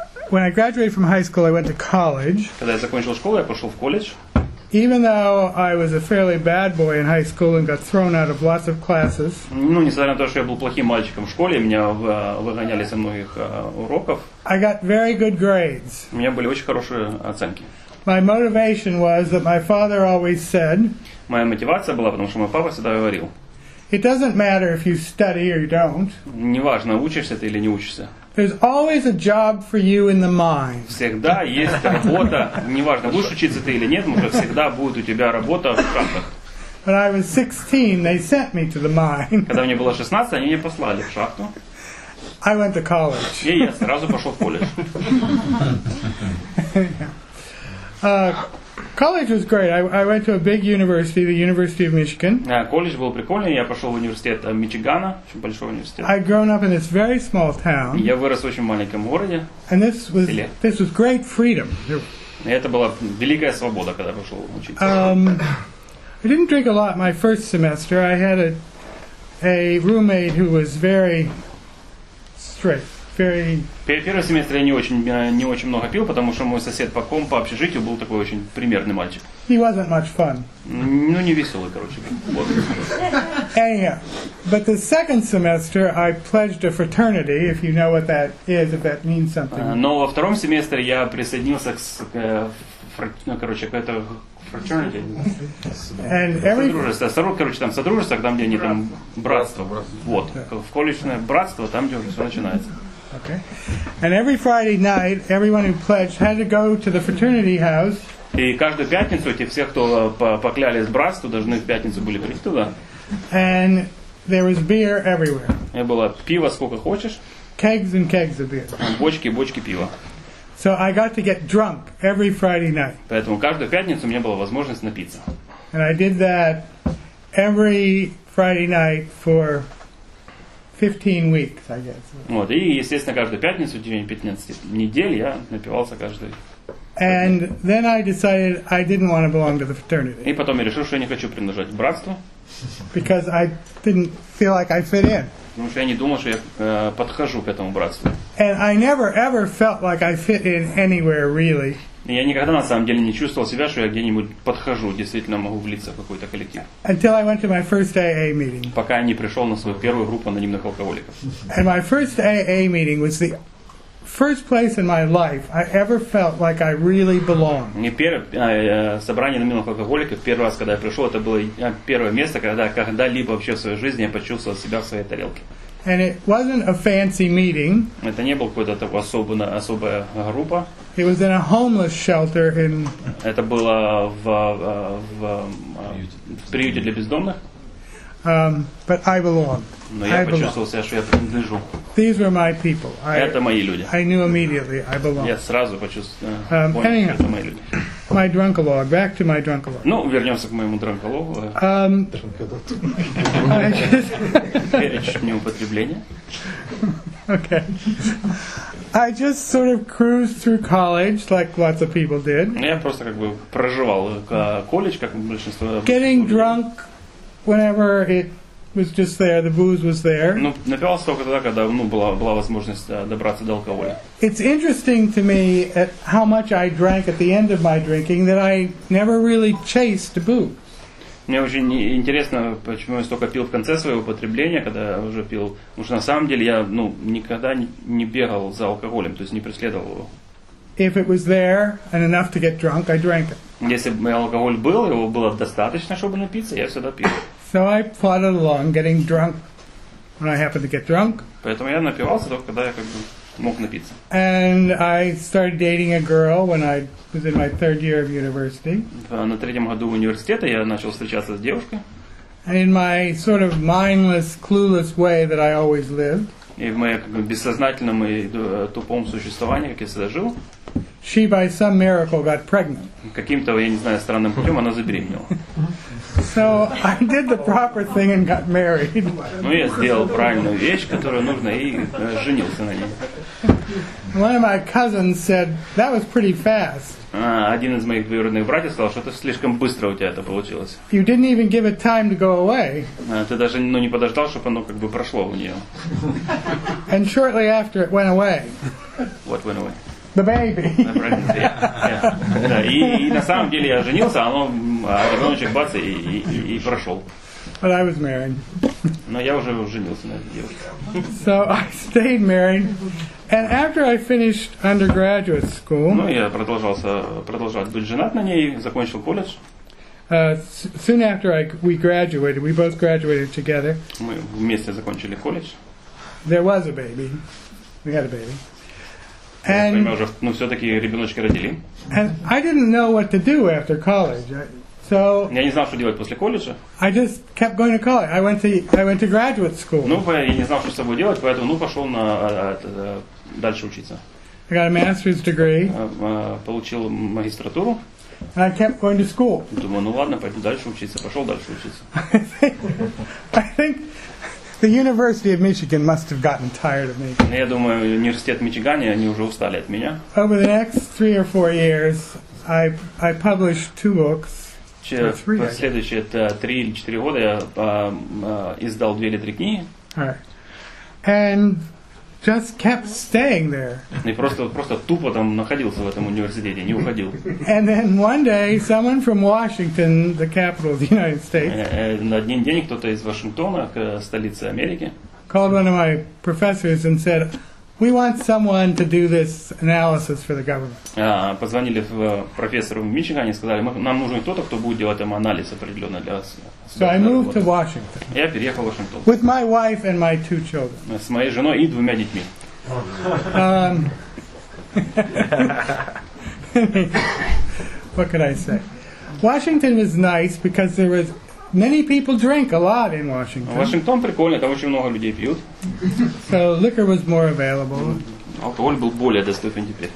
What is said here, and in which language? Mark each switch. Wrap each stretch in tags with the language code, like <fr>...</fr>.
<en>When I graduated from high school, I went to college.</en> <ru>Когда я закончил школу, я пошел в колледж.</ru> <en>Even though I was a fairly bad boy in high school and got thrown out of lots of classes.</en> <ru>Ну, несмотря на то, что я был плохим мальчиком в школе, меня выгоняли со многих уроков.</ru> <en>I got very good grades.</en> <ru>У меня были очень хорошие оценки.</ru> <en>My motivation was that my father always said.</en> <ru>Моя мотивация была, потому что мой папа всегда говорил.</ru> <en>It doesn't matter if you study or you don't.</en> <ru>Неважно, учишься ты или не учишься.</ru> <en>There's always a job for you in the mine.</en> <ru>Всегда есть работа. Неважно, будешь учиться ты или нет, может, всегда будет у тебя работа в шахтах.</ru> <en>When I was 16, they sent me to the mine.</en> <ru>Когда мне было 16, они меня послали в шахту.</ru> <en>I went to college.</en> <ru>И я сразу пошел в колледж.</ru> <en>College was great. I went to a big university, the University of Michigan.</en> <ru>Колледж был прикольный. Я пошел в университет Мичигана, очень большой университет.</ru> <en>I'd grown up in this very small town.</en> <ru>Я вырос в очень маленьком городе.</ru> <en>And this was great freedom.</en> <ru>Это была великая свобода, когда пошел учиться.</ru> <en>I didn't drink a lot my first semester. I had a roommate who was very strict.</en> <ru>Первый семестр я не очень много пил, потому что мой сосед по комп, по общежитию был такой очень примерный мальчик.</ru> <en>He wasn't much fun.</en> <ru>Ну, не веселый, короче.</ru> <en>Anyhow, but the second semester I pledged a fraternity, if you know what that is, if that means something.</en> <ru>Но во втором семестре я присоединился к, короче, к этому fraternity.</ru> <en>And</en> <ru>содружество, короче, там содружество, там где они там братство. Вот, в колледжное братство, там где уже все начинается.</ru> <en>Okay. And every Friday night, everyone who pledged had to go to the fraternity house.</en> <ru>И каждую пятницу эти все, кто поклялись братству, должны в пятницу были прийти туда.</ru> <en>And there was beer everywhere.</en> <ru>И было пиво сколько хочешь.</ru> <en>Kegs and kegs of beer.</en> <ru>Бочки и бочки пива.</ru> <en>So I got to get drunk every Friday night.</en> <ru>Поэтому каждую пятницу у меня была возможность напиться.</ru> <en>And I did that every Friday night for 15 weeks, I guess.</en> <ru>Вот, и, естественно, каждую пятницу, в течение 15 недель, я напивался каждый.</ru> <en>And then I decided I didn't want to belong to the fraternity.</en> <ru>И потом я решил, что я не хочу принадлежать к братству.</ru> <en>Because I didn't feel like I fit in.</en> <ru>Потому что я не думал, что я подхожу к этому братству.</ru> <en>And I never ever felt like I fit in anywhere really.</en> <ru>И я никогда на самом деле не чувствовал себя, что я где-нибудь подхожу, действительно могу влиться в какой-то коллектив.</ru> <en>Until I went to my first AA meeting.</en> <ru>Пока я не пришел на свою первую группу анонимных алкоголиков.</ru> <en>And my first AA meeting was the first place in my life I ever felt like I really belonged.</en> <ru>Не первое собрание анонимных алкоголиков, первый раз, когда я пришел, это было первое место, когда-либо вообще в своей жизни я почувствовал себя в своей тарелке.</ru> <en>And it wasn't a fancy meeting.</en> <ru>Это не был какой-то такой особая группа.</ru> <en>It was in a homeless shelter in.</en> <ru>Это было в приюте для бездомных.</ru> <en>But I belonged.</en> <ru>Но я почувствовал себя, что я принадлежу.</ru> <en>These were my people.</en> <ru>Это мои люди.</ru> <en>I knew immediately I belonged.</en> <ru>Я сразу почувствовал. Понял, что это мои люди.</ru> <en>My drunkalogue. Back to my drunkalogue.</en> <ru>Ну, вернемся к моему drunkalogue. Перечь неупотребления.</ru> <en>Okay. I just sort of cruised through college, like lots of people did.</en> <ru>Я просто как бы проживал колледж, как большинство.</ru> <en>Getting drunk whenever it was just there, the booze was there.</en> <ru>Ну, напивался только тогда, когда была возможность добраться до алкоголя.</ru> <en>It's interesting to me at how much I drank at the end of my drinking that I never really chased booze.</en> <ru>Мне очень интересно, почему я столько пил в конце своего употребления, когда я уже пил. Потому что на самом деле я никогда не бегал за алкоголем, то есть не преследовал его.</ru> <en>If it was there and enough to get drunk, I drank it.</en> <ru>Если бы алкоголь был, его было достаточно, чтобы напиться, я всегда пил.</ru> <en>So I plodded along getting drunk when I happened to get drunk.</en> <ru>Поэтому я напивался только, когда я как бы мог напиться.</ru> <en>And I started dating a girl when I was in my third year of university.</en> <ru>На третьем году университета я начал встречаться с девушкой.</ru> <en>And in my sort of mindless, clueless way that I always lived.</en> <ru>И в моем как бы бессознательном и тупом существовании, как я всегда жил.</ru> <en>She by some miracle got pregnant.</en> <ru>Каким-то, я не знаю, странным путем она забеременела.</ru> <en>So I did the proper thing and got married.</en> <ru>Ну, я сделал правильную вещь, которую нужно, и женился на ней.</ru> <en>One of my cousins said that was pretty fast.</en> <ru>Один из моих двоюродных братьев сказал, что это слишком быстро у тебя это получилось.</ru> <en>You didn't even give it time to go away.</en> <ru>Ты даже не подождал, чтобы оно как бы прошло у нее.</ru> <en>And shortly after it went away. What went away? The baby. Yeah.</en> <ru>И на самом деле я женился, оно ребеночек бац и прошел.</ru> <en>But I was married.</en> <ru>Но я уже женился на этой девушке.</ru> <en>So I stayed married. And after I finished undergraduate school,</en> <ru>ну, я продолжал быть женат на ней, закончил колледж.</ru> <en>Soon after we graduated, we both graduated together.</en> <ru>Мы вместе закончили колледж.</ru> <en>There was a baby. We had a baby. And,</en> <ru>ну, все-таки ребеночки родили.</ru> <en>And I didn't know what to do after college. So,</en> <ru>я не знал, что делать после колледжа.</ru> <en>I just kept going to college. I went to graduate school.</en> <ru>Ну, я не знал, что с собой делать, поэтому пошел на дальше учиться.</ru> <en>I got a master's degree.</en> <ru>Получил магистратуру.</ru> <en>And I kept going to school.</en> <ru>Думаю, ладно, пойду дальше учиться. Пошел дальше учиться.</ru> <en>I think the University of Michigan must have gotten tired of me.</en> <ru>Я думаю, университет Мичигана, они уже устали от меня.</ru> <en>Over the next 3 or 4 years, I published 2 books.</en> <ru>В следующие 3 или 4 года я издал 2 или 3 книги.</ru> <en>And just kept staying there.</en> <ru>И просто тупо там находился в этом университете, не уходил.</ru> <en>And then one day someone from Washington, the capital of the United States.</en> <ru>На один день кто-то из Вашингтона, столицы Америки.</ru> <en>Called one of my professors and said, we want someone to do this analysis for the government.</en> <ru>Позвонили в профессору в Мичигане и сказали, нам нужен кто-то, кто будет делать там анализ определенно для вас.</ru> <en>So I moved to Washington.</en> <ru>Я переехал в Вашингтон.</ru> <en>With my wife and my 2 children.</en> <ru>С моей женой и 2 детьми.</ru> <en>What can I say? Washington is nice because there was many people drink a lot in Washington.</en> <ru>Вашингтон прикольный, там очень много людей пьют.</ru> <en>So liquor was more available.</en> <ru>Алкоголь был более доступен теперь.</ru>